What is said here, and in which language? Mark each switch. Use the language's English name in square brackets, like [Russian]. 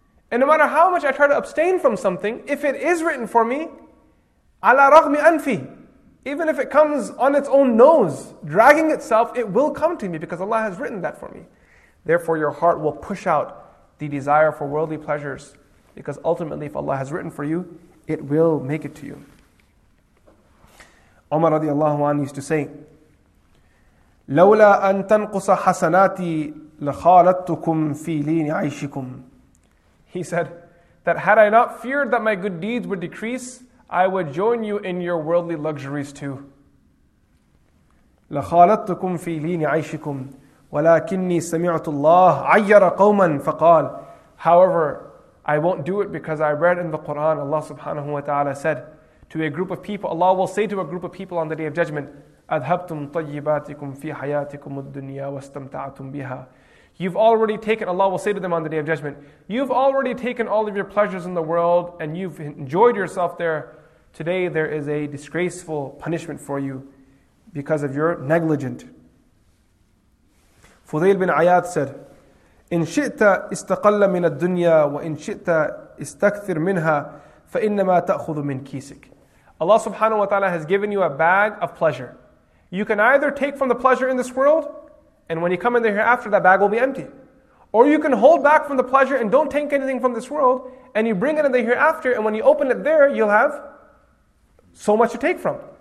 [English] And no matter how much I try to abstain from something, if it is written for me, [Arabic] ala raghmi anfi, [English] even if it comes on its own nose, dragging itself, it will come to me because Allah has written that for me. Therefore, your heart will push out the desire for worldly pleasures, because ultimately, if Allah has written for you, it will make it to you. Umar radiallahu anhu used to say, [Arabic] لَوْلَا أَن تَنْقُصَ حَسَنَاتِي لَخَالَتُكُمْ فِي لِينِ عَيْشِكُمْ. [English] He said that had I not feared that my good deeds would decrease, I would join you in your worldly luxuries too. [Arabic] لَخَالَتُكُمْ فِي لِينِ عَيْشِكُمْ وَلَكِنِّي سَمِعْتُ اللَّهَ عَيَّرَ قَوْمًا فَقَالَ. [English] However, I won't do it because I read in the Quran, Allah subhanahu wa ta'ala said to a group of people, Allah will say to a group of people on the Day of Judgment, [Arabic] أَذْهَبْتُمْ طَيِّبَاتِكُمْ فِي حَيَاتِكُمُ الدُّنْيَا وَاسْتَمْتَعْتُمْ بِهَا. [English] You've already taken, Allah will say to them on the Day of Judgment, you've already taken all of your pleasures in the world and you've enjoyed yourself there. Today there is a disgraceful punishment for you because of your negligence. Fudayl bin Ayyad said, [Arabic] إِنْ شِئْتَ إِسْتَقَلَّ مِنَ الدُّنْيَا وَإِنْ شِئْتَ إِسْتَكْثِرْ مِنْهَا فَإِنَّمَا تَأْخُذُ مِنْ كِيسِكَ. [English] Allah subhanahu wa ta'ala has given you a bag of pleasure. You can either take from the pleasure in this world, and when you come in the hereafter, that bag will be empty. Or you can hold back from the pleasure and don't take anything from this world, and you bring it in the hereafter, and when you open it there, you'll have so much to take from.